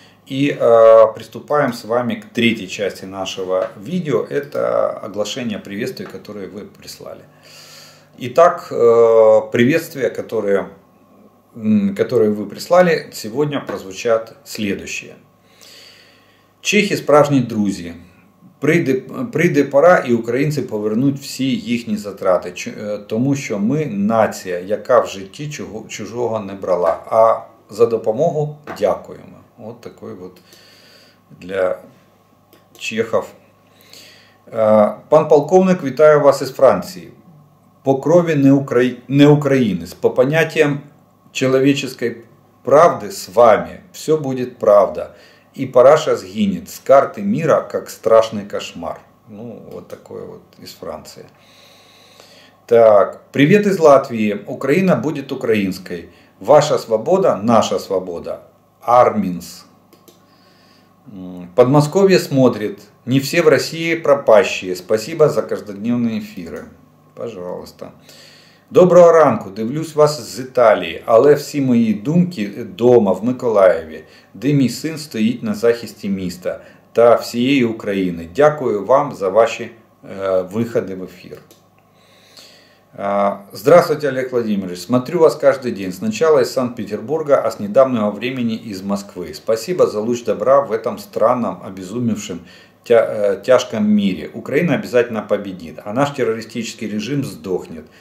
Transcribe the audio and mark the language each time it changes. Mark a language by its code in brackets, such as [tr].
[ru] И приступаем с вами к третьей части нашего видео. Это оглашение приветствия, которые вы прислали. Итак, приветствия, которые вы прислали, сегодня прозвучат следующие. [uk] Чехи справжні друзі. Прийде пора, і українці повернуть всі їхні затрати, тому що ми нація, яка в житті чужого не брала. А за допомогу дякуємо. От такий от для чехів. Пан полковник, вітаю вас із Франції. По крові не українець. По поняттям чоловічої правди з вами все буде правда. [ru] И параша сгинет с карты мира, как страшный кошмар. Ну, вот такое вот из Франции. Так, привет из Латвии. Украина будет украинской. Ваша свобода, наша свобода. Арминс. Подмосковье смотрит. Не все в России пропащие. Спасибо за каждодневные эфиры. Пожалуйста. [uk] Доброго ранку. Дивлюсь вас з Італії. Але всі мої думки дома, в Миколаєві, де мій син стоїть на захисті міста та всієї України. Дякую вам за ваші виходи в ефір. [ru] Здравствуйте, Олег Владимирович. Смотрю вас каждый день. Сначала из Санкт-Петербурга, а с недавнего времени из Москвы. Спасибо за луч добра в этом странном, обезумевшем, тяжком мире. Украина обязательно победит, а наш террористический режим сдохнет.